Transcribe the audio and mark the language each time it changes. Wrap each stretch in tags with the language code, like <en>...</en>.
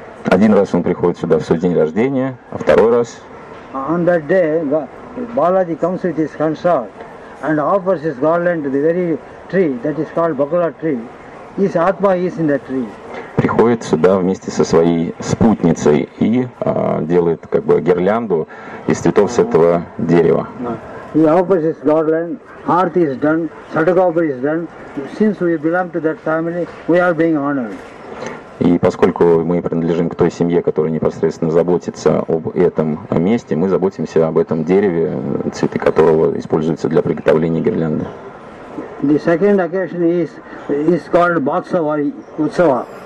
<ru>1 раз он приходит сюда в свой день рождения, а 2-й раз...</ru> <en>On that day, Balaji comes with his consort and offers his garland to the very tree that is called Bakula tree. His Atma is in that tree.</en> <ru>Приходит сюда вместе со своей спутницей и делает как бы гирлянду из цветов с этого дерева.</ru> <en>He offers his garland, heart is done, sadhakopa is done. Since we belong to that family, we are being honored.</en> <ru>И поскольку мы принадлежим к той семье, которая непосредственно заботится об этом месте, мы заботимся об этом дереве, цветы которого используются для приготовления гирлянды.</ru> <en>The second occasion is called Batsavari Utsava.</en>